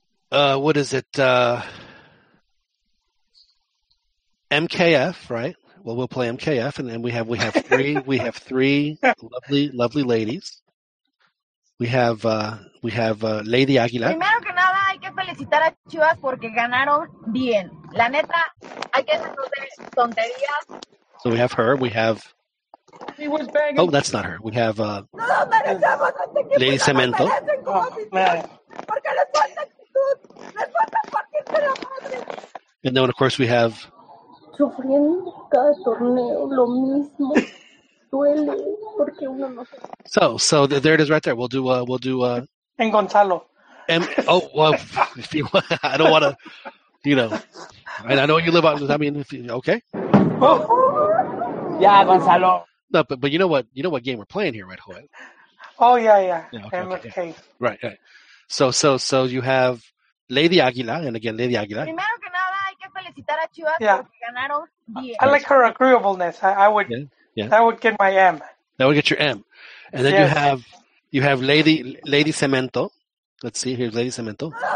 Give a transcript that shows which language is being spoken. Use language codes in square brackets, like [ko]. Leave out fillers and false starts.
[en] What is it? MKF, right? Well, we'll play MKF, and then we have three lovely ladies. We have Lady Aguilar. [es] Primero que nada hay felicitar a Chivas porque ganaron bien. La neta, hay que hacer tonterías. [en] So we have her. We have. She was banging. Oh, that's not her. We have. [es] No lo merecemos. Lady Cemento. No porque les falta actitud. Les falta partir de la madre. [en] And then, of course, we have. [es] Sufriendo cada torneo lo mismo. Duele porque uno no. [en] So there it is, right there. We'll do. [es] En Gonzalo. [en] I don't want to, you know. And I know you live on. I mean, if you, okay. Yeah, Gonzalo. No, but you know what? You know what game we're playing here, right, Joel? Oh yeah. Okay. Right. So you have Lady Aguila, and again, Lady Aguila. [es] Primero que nada, hay que felicitar a Chivas porque ganaron bien. [en] I like her agreeableness. I would. Yeah. That would get my M. That would get your M, and then you have Lady Cemento. Let's see, here's Lady Cemento.